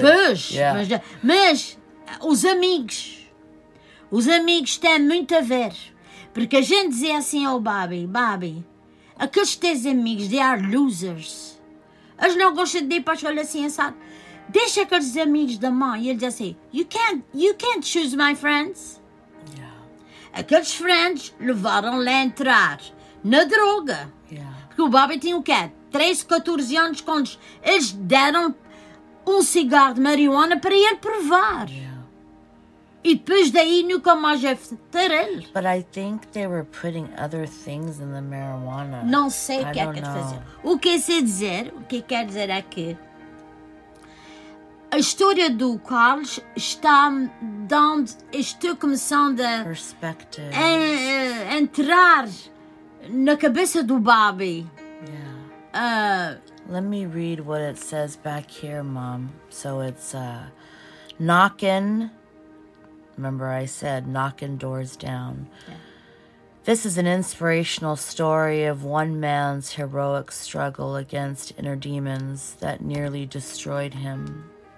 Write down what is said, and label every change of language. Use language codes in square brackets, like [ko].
[pt] Depois, mas os amigos têm muito a ver. Porque a gente dizia assim ao Babi, aqueles teus amigos, [en] they are losers. [pt] Eles não gostam de ir para a escola assim, sabe? Deixa aqueles amigos da mãe. E ele diz assim, [en] you can't choose my friends. [pt] Aqueles friends levaram-lhe a entrar na droga. Porque o Babi tinha o quê? 13, 14 anos, quando eles deram um cigarro de marihuana para ele provar. E depois daí nunca mais é ter ele. [en] But I think they were putting other things in the marijuana. [pt] Não sei o que é que ele fazia. O que quer dizer? O que quer dizer é que a história do Carlos está dando. Estou começando a entrar na cabeça do Bobby. [en] Let me read what it says back here, Mom. So it's knocking. Remember I said knocking doors down. This is an inspirational story of one man's heroic struggle against inner demons that nearly destroyed him.